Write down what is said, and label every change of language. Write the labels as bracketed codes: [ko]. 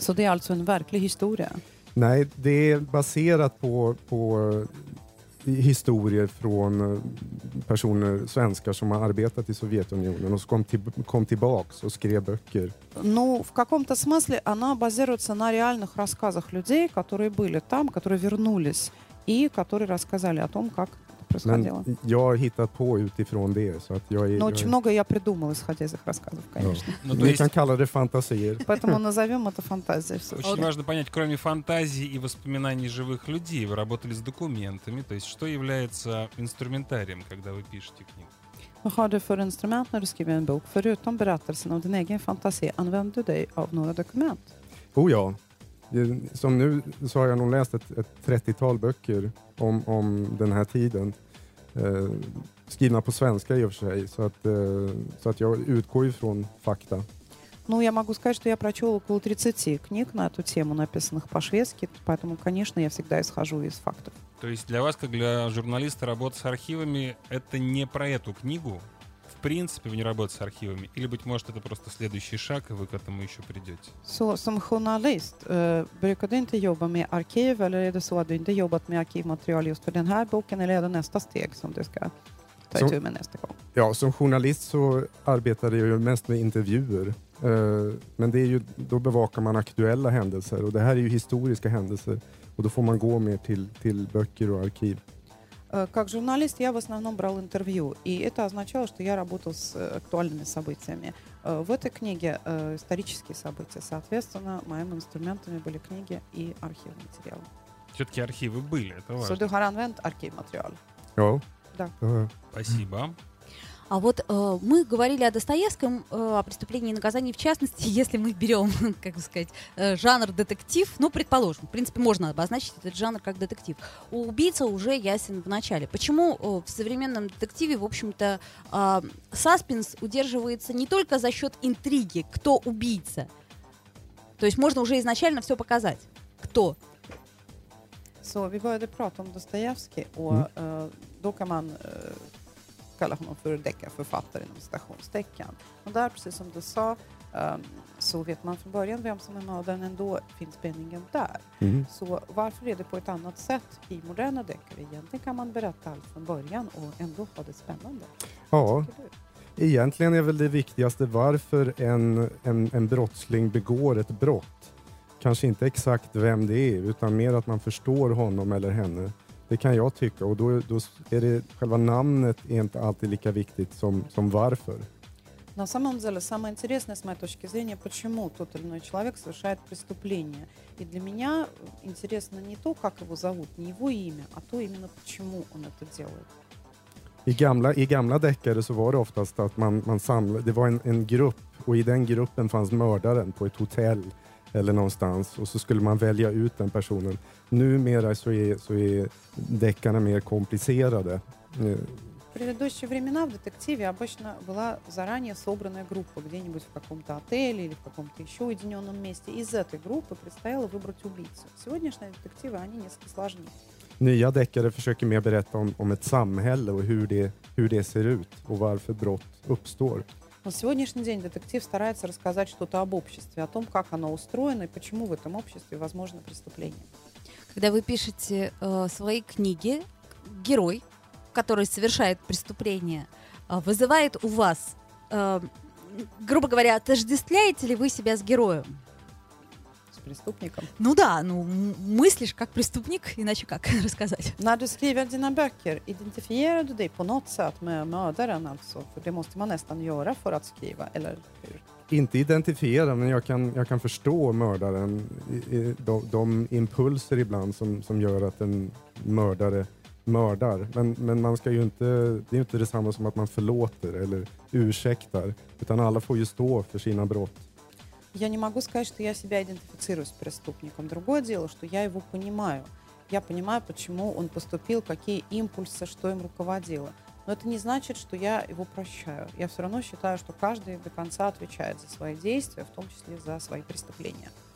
[sv] Så det är alltså en verklig historia? Nej, det är baserat på historier från personer, svenskar, som har arbetat i Sovjetunionen och kom tillbaks och skrev böcker. [ru] Ну, в каком-то смысле она базируется на реальных рассказах людей, которые были там, которые вернулись и которые рассказали о том, как происходило. [sv] Jag har hittat på utifrån det, så att jag är... [ru] Но очень много я придумал, исходя из их рассказов, конечно. [sv] Мы kan kalla det фантазиер. [ru] Поэтому назовем это фантазией. Очень важно понять, кроме фантазии и воспоминаний живых людей, вы работали с документами, то есть что является инструментарием, когда вы пишете книгу? [sv] Vad har du för instrument när du skriver en bok? Förutom berättelsen om din egen fantasi, använder du dig av några dokument? Oh ja. Som nu så har jag nog läst ett 30-tal böcker om den här tiden. Skrivna på svenska i och för sig. Så att jag utgår ifrån fakta. [ru] Ну, я могу сказать, что я прочел около 30 книг на эту тему, написанных по-шведски, поэтому, конечно, я всегда исхожу из фактов. То есть для вас, как для журналиста, работа с архивами, это не про эту книгу? В принципе, вы не работаете с архивами? Или, быть может, это просто следующий шаг, и вы к этому еще придете? [sv] Så, som journalist, brukar du inte jobba med arkiv, eller är det så att du inte jobbat med arkivmaterial just för den här boken, eller är det nästa steg som du ska ta itu med nästa gång? Ja, som journalist så arbetade jag ju mest med intervjuer. Men det är ju, då bevakar man aktuella händelser, och det här är ju historiska händelser, och då får man gå mer till böcker och arkiv. [ru] Как журналист я в основном брал интервью, и это означало, что я работал с актуальными событиями. В этой книге исторические события, соответственно, моими инструментами были книги и архивные материалы. Все-таки архивы были, это важно. [sv] Så du har använt arkivmaterial? Ja. [ru] Да. Спасибо. А вот мы говорили о Достоевском, о преступлении и наказании в частности, если мы берем, как бы сказать, жанр детектив, ну, предположим, в принципе, можно обозначить этот жанр как детектив. Убийца уже ясен в начале. Почему в современном детективе, в общем-то, саспенс удерживается не только за счет интриги, кто убийца? То есть можно уже изначально все показать, кто? [sv] Så vi började prata om Dostojevskij och då kan man kalla honom för deckarförfattare inom citationstecken. Och där, precis som du sa, så vet man från början vem som är mördaren, ändå finns spänningen där. Mm. Så varför är det på ett annat sätt i moderna deckare? Egentligen kan man berätta allt från början och ändå ha det spännande. Ja, egentligen är väl det viktigaste varför en brottsling begår ett brott. Kanske inte exakt vem det är, utan mer att man förstår honom eller henne. Det kan jag tycka. Och då är det själva namnet är inte alltid lika viktigt som varför. [ru] На самом деле, самое интересное с моей точки зрения, почему тот или иной человек совершает преступление. И для меня интересно не то, как его зовут, не его имя, а то именно почему он это делает. [sv] I gamla deckare så var det oftast att man samlade, det var en grupp, och i den gruppen fanns mördaren på ett hotell eller någonstans, och så skulle man välja ut den personen. Numera så är deckarna mer komplicerade. [ru] В предыдущие времена в детективе обычно была заранее собранная группа где-нибудь в каком-то отеле или в каком-то еще уединенном месте. Из этой группы предстояло выбрать убийцу. Сегодняшние детективы, они несколько сложнее. [sv] Nya deckare försöker mer berätta om ett samhälle och hur det ser ut och varför brott uppstår. [ru] На сегодняшний день детектив старается рассказать что-то об обществе, о том, как оно устроено и почему в этом обществе возможно преступление. Когда вы пишете свои книги, герой, который совершает преступление, вызывает у вас, грубо говоря, отождествляете ли вы себя с героем? С преступником? Ну да, ну мыслишь как преступник, иначе как рассказать? [sv] När du skriver dina böcker, identifierar du dig på något sätt med mördaren alltså? För det måste man nästan göra för att skriva, eller hur? Inte identifiera, men jag kan förstå mördaren. De impulser ibland som gör att en mördare mördar. Men man ska ju inte, det är ju inte detsamma som att man förlåter eller ursäktar, utan alla får ju stå för sina brott. [ru] Я не могу сказать, что я себя идентифицирую с преступником. Другое дело, что я его понимаю. Я понимаю, почему он поступил, какие импульсы, что им руководило. Но это не значит, что я его прощаю. Я все равно считаю, что каждый до конца отвечает за свои действия, в том числе за свои преступления.